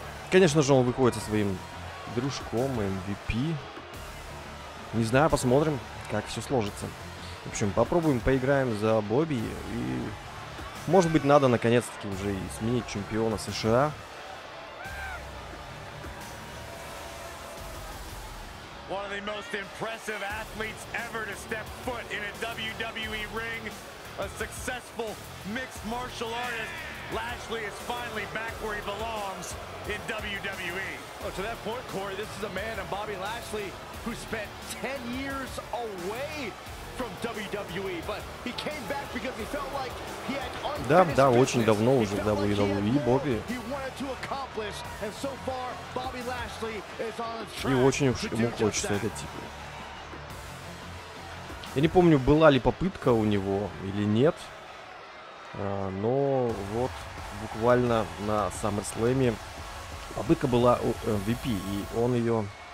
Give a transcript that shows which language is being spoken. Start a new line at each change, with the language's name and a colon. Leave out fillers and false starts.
Russian: Конечно же, он выходит со своим дружком MVP. Не знаю, посмотрим, как все сложится. В общем, попробуем, поиграем за Бобби, и, может быть, надо наконец-таки уже и сменить чемпиона США.
English: One of the most impressive athletes ever to step foot in a WWE ring, a successful mixed martial artist. Lashley is finally back where he belongs in WWE. Well, to that point, Corey, this is a man, and Bobby Lashley, who spent 10 years away from WWE, but he came back because he felt like he had unfinished
Russian: очень давно уже WWE, Бобби.
English: He wanted to accomplish, and so far Bobby Lashley is on a track.
Russian: И очень уж ему хочется этот титул. Я не помню, была ли попытка у него или нет, но вот буквально на SummerSlam попытка была у MVP, и он ее...